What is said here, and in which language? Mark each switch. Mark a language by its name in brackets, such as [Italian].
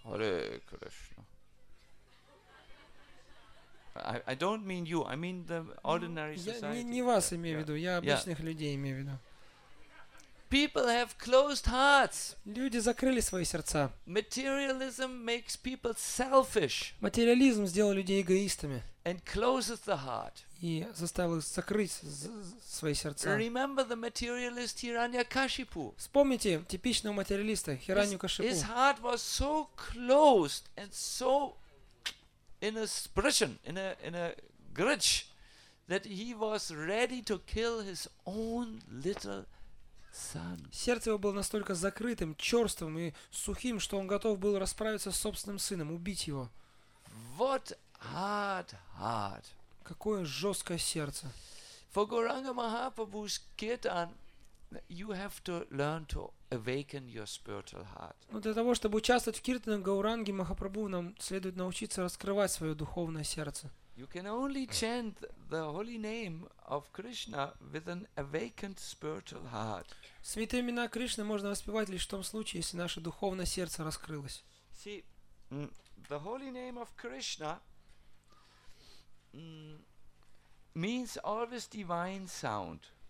[English] Hare Krishna. I don't mean you, I mean the ordinary society. [Russian] Я не вас имею в виду, я обычных людей имею в виду. [English] People have closed hearts. [Russian] Люди закрыли свои сердца. [English] Materialism makes people selfish. [Russian] Материализм сделал людей эгоистами. [English] And closes the heart. [Russian] И заставил их закрыть свои сердца. [English] Remember the materialist Hiranyakashipu. [Russian] Вспомните типичного материалиста Хираньякашипу. [English] His heart was so closed and so in a prison, in a grudge, that he was ready to kill his own little [Russian] Сердце его было настолько закрытым, черствым и сухим, что он готов был расправиться с собственным сыном, убить его. [English] What hard heart. [Russian] Какое жесткое сердце. [English] For Gauranga Mahaprabhu's kirtan, you have to learn to awaken your spiritual heart. [Russian] Но для того, чтобы участвовать в киртане Гауранги Махапрабху, нам следует научиться раскрывать свое духовное сердце. [English] You can only chant the holy name of Krishna with an awakened spiritual heart. [Russian] Святые имена Кришны можно воспевать лишь в том случае, если наше духовное сердце раскрылось. [English] See, the holy name of Krishna means always divine sound.